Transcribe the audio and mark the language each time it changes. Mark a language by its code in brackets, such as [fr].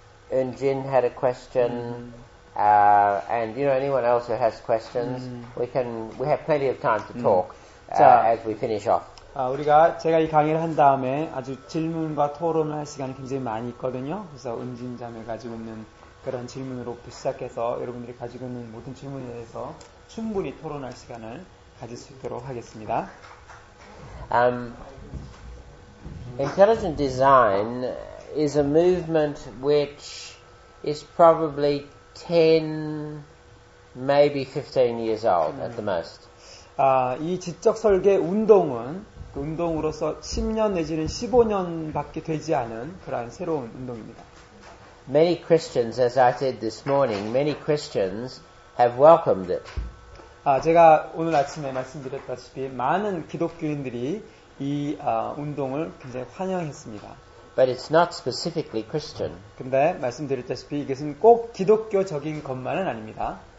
[en] Eunjin had a question, and you know anyone else who has questions, we have plenty of time to talk as we finish off. [ko] 아, 우리가 제가 이 강의를 한 다음에 아주 질문과 토론을 할 시간이 굉장히 많이 있거든요. 그래서 은진 자매 가지고 있는 그런 질문으로 시작해서 여러분들이 가지고 있는 모든 질문에 대해서 충분히 토론할 시간을 가질 수 있도록 하겠습니다. [en] Intelligent design is a movement which is probably 10, maybe 15 years old at the most. [ko] 아, 이 지적 설계 운동은 운동으로서 10년 내지는 15년밖에 되지 않은 그러한 새로운 운동입니다. [en] Many Christians, as I said this morning, many Christians have welcomed it. [ko] 아, 제가 오늘 아침에 말씀드렸다시피 많은 기독교인들이 이 운동을 굉장히 환영했습니다. [en] But it's not specifically Christian. [ko] 근데 말씀드렸다시피 이것은 꼭 기독교적인 것만은 아닙니다.